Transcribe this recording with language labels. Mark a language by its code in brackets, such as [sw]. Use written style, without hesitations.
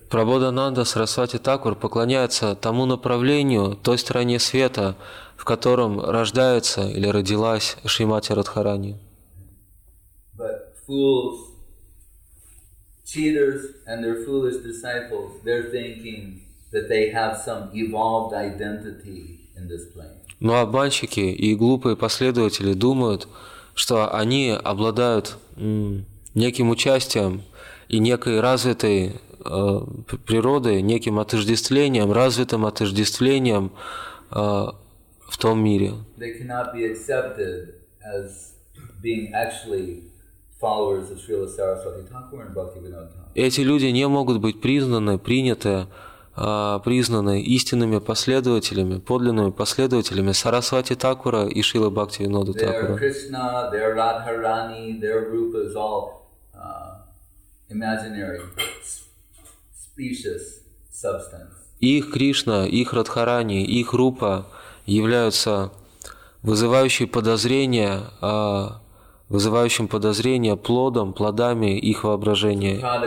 [ru] Прабодхананда Сарасвати Тхакур поклоняется тому направлению, той стороне света, в котором рождается или родилась Шримати Радхарани. [en] But fools, cheaters and their foolish disciples, they're thinking that they have some evolved identity in this plane. [ru] Но обманщики и глупые последователи думают, что они обладают неким участием и некой развитой природой, неким отождествлением, развитым отождествлением в том мире. [en] They cannot be accepted as being actually followers of Srila Saraswati Thakur and Bhaktivinoda Thakur. [ru] Эти люди не могут быть признаны истинными последователями, подлинными последователями Сарасвати Такура и Шрилы Бхактивинода Такура. [en] They are Krishna, they are Radharani, their group is all imaginary, specious substance. [ru] Их Кришна, их Радхарани, их Рупа являются вызывающие подозрения, вызывающим подозрения плодами их воображения.